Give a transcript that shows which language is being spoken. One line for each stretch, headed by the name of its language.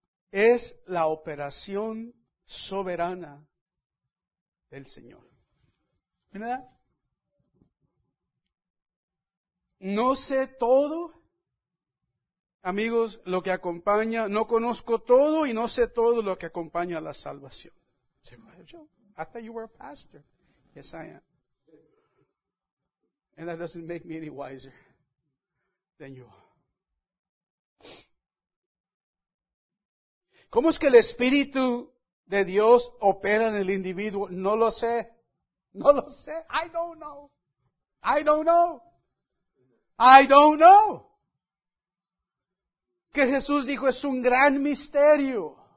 Spanish: Es la operación soberana del Señor. ¿Verdad? No sé todo. Amigos, lo que acompaña, no conozco todo y no sé todo lo que acompaña a la salvación.
English: I thought you were a pastor. Yes, I am. And that doesn't make me any wiser than you are.
Spanish: ¿Cómo es que el Espíritu de Dios opera en el individuo? No lo sé. No lo sé.
English: I don't know. I don't know. I don't know.
Spanish: Que Jesús dijo, es un gran misterio.